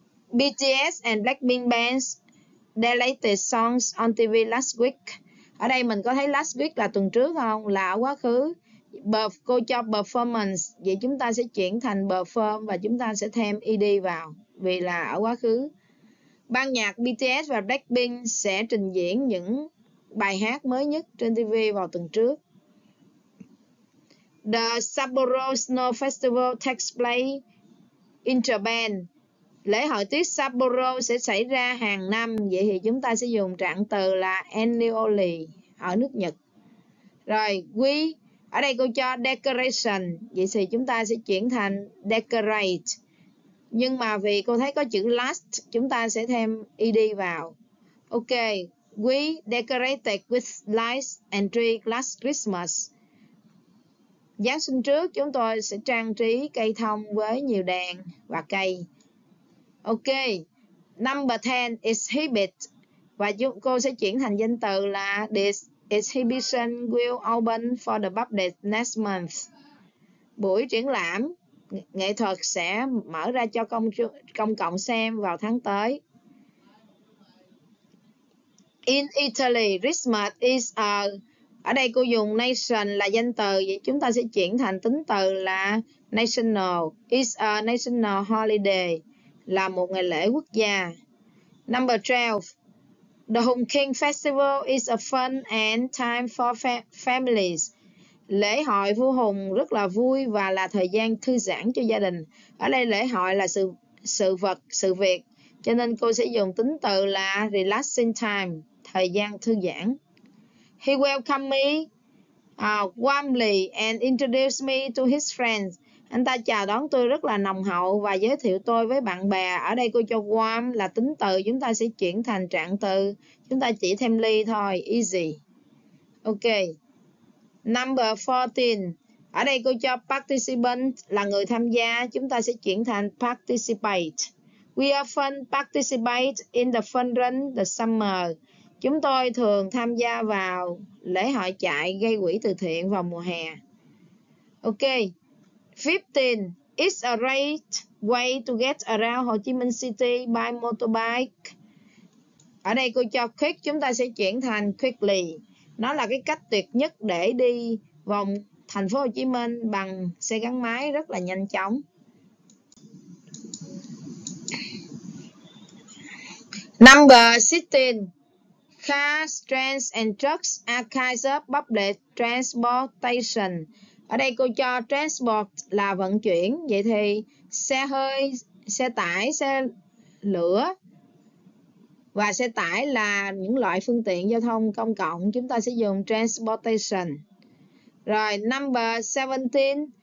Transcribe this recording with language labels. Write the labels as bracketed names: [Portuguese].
[English] BTS and Blackpink bands their latest songs on TV last week. [Vietnamese] Ở đây mình có thấy last week là tuần trước không? Là quá khứ. Cô cho performance, vậy chúng ta sẽ chuyển thành perform và chúng ta sẽ thêm ed vào vì là ở quá khứ. Ban nhạc BTS và Blackpink sẽ trình diễn những bài hát mới nhất trên TV vào tuần trước. [English] The Sapporo Snow Festival takes place in Japan. [Vietnamese] Lễ hội tuyết Sapporo sẽ xảy ra hàng năm, vậy thì chúng ta sẽ dùng trạng từ là annually ở nước Nhật. Rồi, quý ở đây cô cho decoration, vậy thì chúng ta sẽ chuyển thành decorate. Nhưng mà vì cô thấy có chữ last, chúng ta sẽ thêm ed vào. [English] Ok, we decorated with lights and tree last Christmas. [Vietnamese] Giáng sinh trước, chúng tôi sẽ trang trí cây thông với nhiều đèn và cây. [English] Ok, number 10 exhibit. [Vietnamese] Và cô sẽ chuyển thành danh từ là this. [English] Exhibition will open for the public next month. [Vietnamese] Buổi triển lãm nghệ thuật sẽ mở ra cho công cộng xem vào tháng tới. [English] In Italy, Christmas is [Vietnamese] ở đây cô dùng nation là danh từ, vậy chúng ta sẽ chuyển thành tính từ là national. [English] Is a national holiday [Vietnamese] là một ngày lễ quốc gia. [English] Number 12. The Hùng King Festival is a fun and time for families. [Vietnamese] Lễ hội vua Hùng rất là vui và là thời gian thư giãn cho gia đình. Ở đây lễ hội là sự việc, cho nên cô sẽ dùng tính từ là relaxing time, thời gian thư giãn. [English] He welcomed me warmly and introduced me to his friends. [Vietnamese] Anh ta chào đón tôi rất là nồng hậu và giới thiệu tôi với bạn bè. Ở đây cô cho warm là tính từ, chúng ta sẽ chuyển thành trạng từ. Chúng ta chỉ thêm ly thôi, easy. Okay. [English] Number 14. [Vietnamese] Ở đây cô cho participant là người tham gia. Chúng ta sẽ chuyển thành participate. [English] We often participate in the fun run the summer. [Vietnamese] Chúng tôi thường tham gia vào lễ hội chạy gây quỹ từ thiện vào mùa hè. Okay. 15. [English] It's a great way to get around Ho Chi Minh City by motorbike. [Vietnamese] Ở đây cô cho quick, chúng ta sẽ chuyển thành quickly. Nó là cái cách tuyệt nhất để đi vòng thành phố Hồ Chí Minh bằng xe gắn máy rất là nhanh chóng. Number 16. [English] Cars, trains and trucks are kinds of public transportation. [Vietnamese] Ở đây cô cho transport là vận chuyển. Vậy thì xe hơi, xe tải, xe lửa và xe tải là những loại phương tiện giao thông công cộng. Chúng ta sẽ dùng transportation. Rồi, [English] number 17.